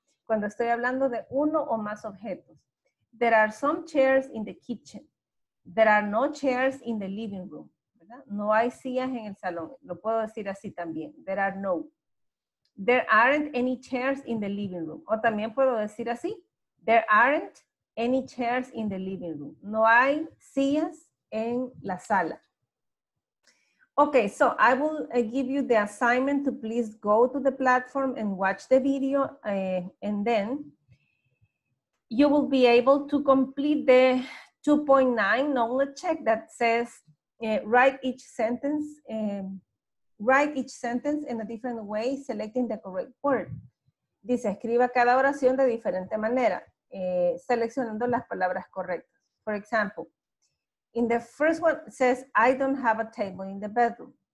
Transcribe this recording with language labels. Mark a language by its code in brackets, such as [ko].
[es] Cuando estoy hablando de uno o más objetos. [en] There are some chairs in the kitchen. There are no chairs in the living room. [es] ¿Verdad? No hay sillas en el salón. Lo puedo decir así también. [en] There are no. There aren't any chairs in the living room. [es] O también puedo decir así. [en] There aren't any chairs in the living room. [es] No hay sillas en la sala. [en] Okay, so I will give you the assignment to please go to the platform and watch the video and then you will be able to complete the 2.9 knowledge check that says write each sentence in a different way, selecting the correct word. [es] Dice, escriba cada oración de diferente manera, seleccionando las palabras correctas. [en] For example, in the first one says, I don't have a table in the bedroom.